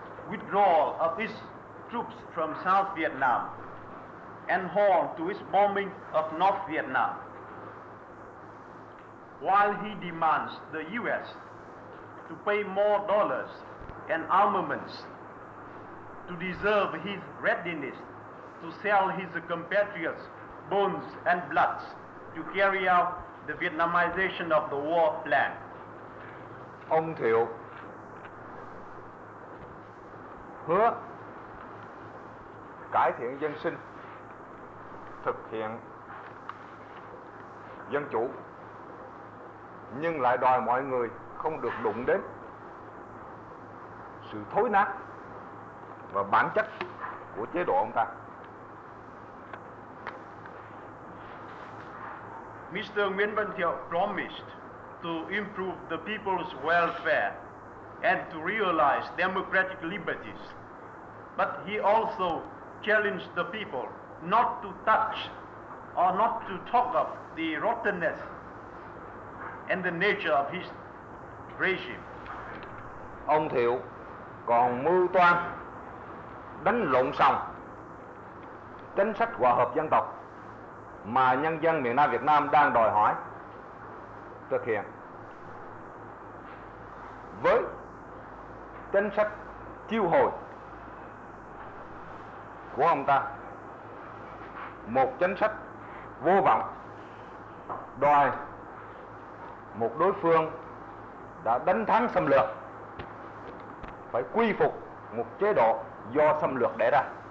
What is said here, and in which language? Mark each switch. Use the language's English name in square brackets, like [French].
[English] withdrawal of its troops from South Vietnam and hold to its bombing of North Vietnam, while he demands the U.S. to pay more dollars and armaments to deserve his readiness to sell his compatriots' bones and blood to carry out the Vietnamization of the war plan. [Vietnamese] Ông Thiệu hứa cải thiện dân sinh, thực hiện dân chủ, nhưng lại đòi mọi người không được đụng đến sự thối nát và bản chất của chế độ ông ta. [English] Mr. Nguyễn Văn Thiệu promised to improve the people's welfare and to realize democratic liberties. But he also challenged the people not to touch or not to talk of the rottenness and the nature of his regime. [Vietnamese] Ông Thiệu còn mưu toan đánh lộn xong chính sách hòa hợp dân tộc mà nhân dân miền Nam Việt Nam đang đòi hỏi thực hiện với chính sách chiêu hồi của ông ta, một chính sách vô vọng, đòi một đối phương đã đánh thắng xâm lược phải quy phục một chế độ do xâm lược đẻ ra.